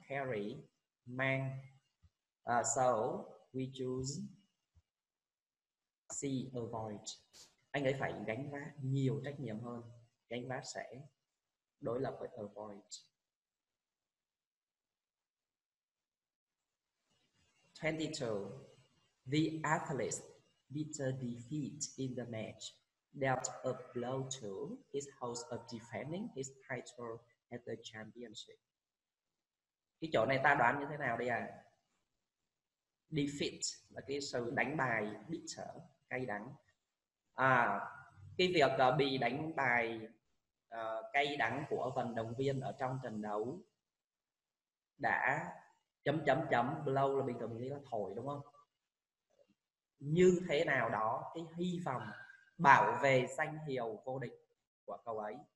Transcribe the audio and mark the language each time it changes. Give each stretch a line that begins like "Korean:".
English: Carry, mang. So we choose C, avoid.
Vietnamese: Anh ấy phải gánh vác nhiều trách nhiệm hơn. Gánh vác sẽ đối lập với avoid.
English: Twenty-two, the athlete bitter defeat in the match dealt a blow to his hopes of defending his title at the championship.
Vietnamese: Cái chỗ này ta đoán như thế nào đây à? Defeat là cái sự đánh bài bitter, cay đắng. Cái việc bị đánh bài cay đắng của vận động viên ở trong trận đấu đã chấm chấm chấm, blow là bình thường mình nghĩ là thổi đúng không, như thế nào đó cái hy vọng bảo vệ danh hiệu vô địch của cậu ấy.